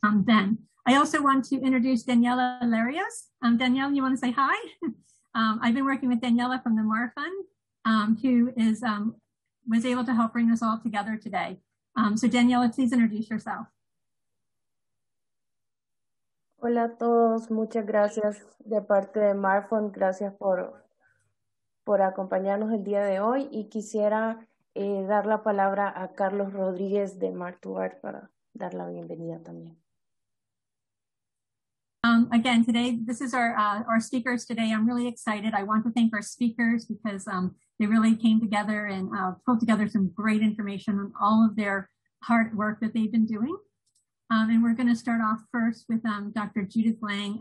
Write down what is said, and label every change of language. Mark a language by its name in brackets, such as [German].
[English] Ben, I also want to introduce Daniela Larios. Daniela, you want to say hi? I've been working with Daniela from the MARFund, who is was able to help bring us all together today. So Daniela, please introduce yourself. [Spanish] Hola a todos, muchas gracias de parte de MARFund, gracias por acompañarnos el día de hoy y quisiera dar la palabra a Carlos Rodríguez de MARTUART para dar la bienvenida también. [English] Again, today, this is our speakers today. I'm really excited. I want to thank our speakers because they really came together and pulled together some great information on all of their hard work that they've been doing. And we're going to start off first with Dr. Judith Lang.